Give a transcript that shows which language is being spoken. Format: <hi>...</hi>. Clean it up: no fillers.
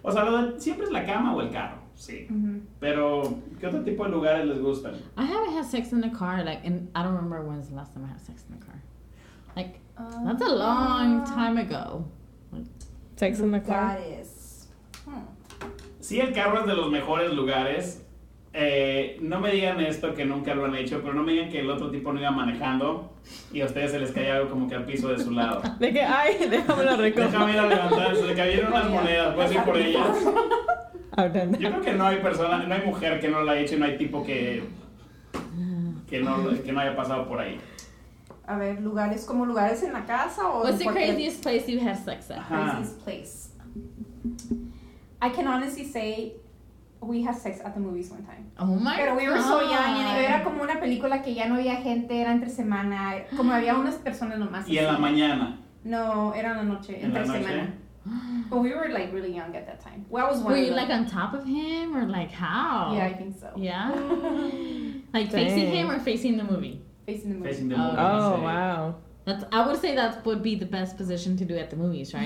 <es>O sea, siempre es la cama o el carro, sí. Mm-hmm. Pero, ¿qué otro tipo de lugares les gustan?</es> <en>I haven't had sex in the car, and I don't remember when's the last time I had sex in the car. That's a long time ago. Sex in the car? That is.</en> <es>Sí, el carro es de los mejores lugares... No me digan esto, que nunca lo han hecho, pero no me digan que el otro tipo no iba manejando y a ustedes se les caía algo como que al piso de su lado. De que, ay, déjame lo recoger. Déjame ir a levantar, se le cayeron unas monedas, voy a ir por ellas. Yo creo que no hay persona, no hay mujer que no lo haya hecho y no hay tipo que no haya pasado por ahí. A ver, ¿lugares como lugares en la casa o...?</es> <en>What's the craziest place you've had sex at? Craziest place. I can honestly say we had sex at the movies one time. Oh my god. Pero we were god. So young.</en> <es>Y era como una película que ya no había gente, era entre semana. Como había unas personas nomás. ¿Y así. En la mañana? No, era en la noche. ¿En entre la noche? Semana.</es> <en>But we were like really young at that time. Well, I was were you like on top of him or like how? Yeah, I think so. Yeah? Like dang. Facing him or facing the movie? Facing the movie. Oh, wow. I would say that would be the best position to do at the movies, right?</en>